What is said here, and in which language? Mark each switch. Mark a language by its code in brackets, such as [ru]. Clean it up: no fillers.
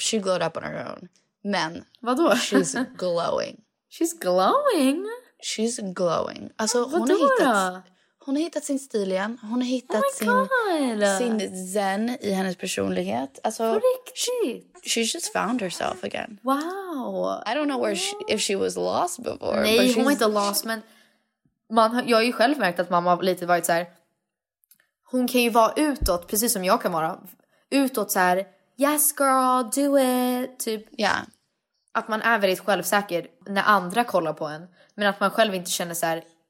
[en] She glowed up on her own. Men [sv] vadå? [en] She's glowing. She's glowing? She's glowing. [sv] Alltså, hon har hittat sin stil igen. Hon har hittat sin zen i hennes personlighet. Alltså, på riktigt? [en] She's just found herself again. Wow. I don't know where if she was lost before. [sv] Nej, hon var inte lost, men... Jag har ju själv märkt att mamma har lite varit så här. Hon kan ju vara utåt, precis som jag kan vara. Utåt så här, [en] yes girl, do it. [sv] Typ. [en] Yeah. [sv] Att man är väldigt självsäker när andra kollar på en. Men att man själv inte känner så här...